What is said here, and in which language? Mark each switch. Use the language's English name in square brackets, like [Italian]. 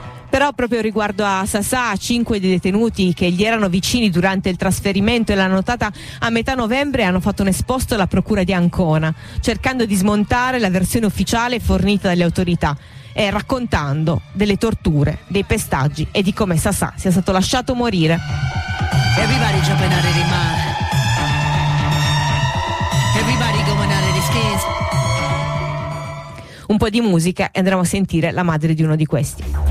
[Italian] Però proprio riguardo a Sasà, 5 dei detenuti che gli erano vicini durante il trasferimento e la nottata a metà novembre hanno fatto un esposto alla procura di Ancona, cercando di smontare la versione ufficiale fornita dalle autorità e raccontando delle torture, dei pestaggi e di come Sasà sia stato lasciato morire. [English] Everybody jumping out of the mind. Everybody going out of the skins. [Italian] Un po' di musica e andremo a sentire la madre di uno di questi.